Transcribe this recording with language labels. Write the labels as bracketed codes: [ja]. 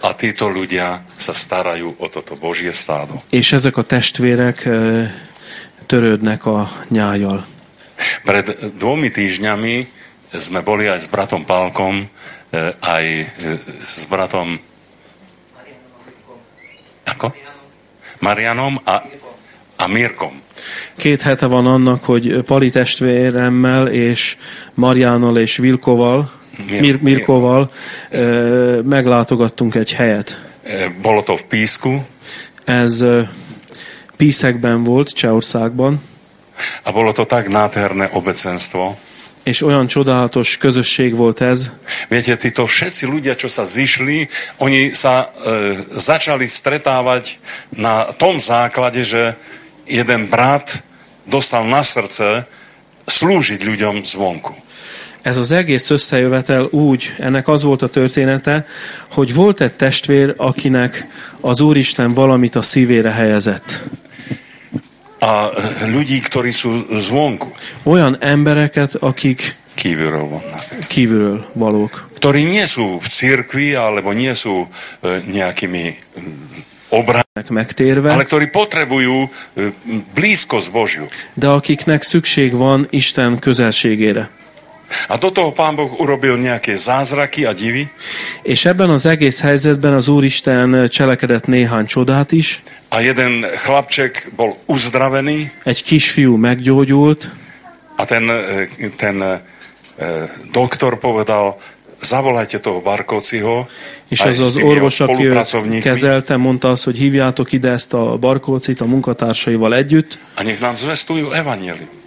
[sk] A títo ľudia sa starajú o toto Božie stádo. [hu] És ezek a testvérek törődnek a nyájjal. [sk] Pred dvomi týždňami sme boli aj s bratom Pálkom, aj s bratom ako? Marianom a Mirkom. [hu] Két hete van annak, hogy Pali testvéremmel és Mariannal és Vilkoval Mirkoval meglátogattunk egy helyet. [sk] Bolo to v Písku. [hu] Ez Píszekben volt, Csehországban. [sk] A bolo to tak nádherné obecenstvo. [hu] És olyan csodálatos közösség volt ez. [sk] Viete, títo všetci ľudia, čo sa zišli, oni sa začali stretávať na tom základe, že jeden brat dostal na srdce slúžiť ľuďom zvonku. [hu] Ez az egész összejövetel úgy, ennek az volt a története, hogy volt egy testvér, akinek az Úristen valamit a szívére helyezett. [sk] A ľudí, ktorí sú zvonku. [hu] Olyan embereket, akik kívülről vannak. Kívülről valók. [sk] Ktorí nie sú v cirkvi, alebo nie sú nejakými obrázok [hu] megtérve. [sk] Ale ktorí potrebujú blízkosť Božiu. [hu] De akiknek szükség van Isten közelségére. [sk] A do toho Pán Boh urobil nejaké zázraky a divy. [hu] És ebben az egész helyzetben az Úristen cselekedett néhány csodát is. [sk] A jeden chlapček bol uzdravený. [hu] Egy kisfiú meggyógyult. [sk] A ten doktor povedal, zavolajte toho Barkóciho. [hu] És az az orvos, aki őt kezelte, mondta azt, hogy hívjátok ide ezt a Barkócit a munkatársaival együtt. [sk] A nech nám zvestujú evanjelium.